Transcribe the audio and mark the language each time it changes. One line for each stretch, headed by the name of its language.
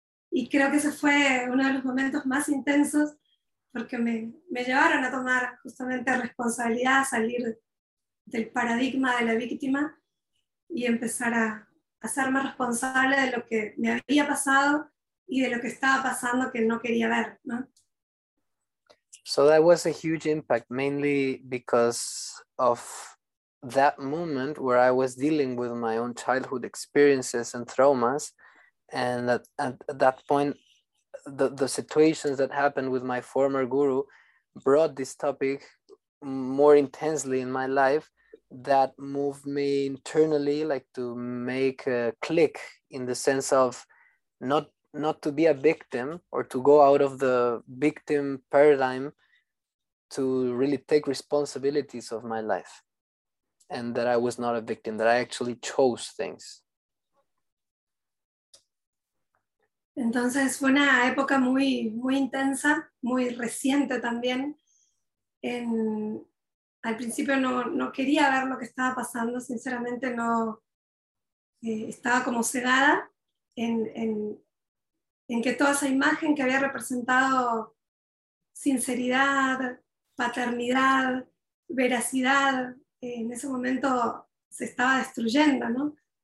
Spanish: Y creo que ese fue uno de los momentos más intensos porque me llevaron a tomar justamente responsabilidad, a salir del paradigma de la víctima y empezar a hacerme responsable de lo que me había pasado y de lo que estaba pasando que no quería ver, ¿no?
English: So that was a huge impact, mainly because of that moment where I was dealing with my own childhood experiences and traumas. And at that point, the situations that happened with my former guru brought this topic more intensely in my life that moved me internally, like to make a click in the sense of not to be a victim or to go out of the victim paradigm, to really take responsibilities of my life, and that I was not a victim, that I actually chose things.
Spanish: Entonces fue una época muy, muy intensa, muy reciente también. Al principio no quería ver lo que estaba pasando, sinceramente no, estaba como cegada en que toda esa imagen que había representado sinceridad, paternidad, veracidad, en ese momento se estaba destruyendo, ¿no?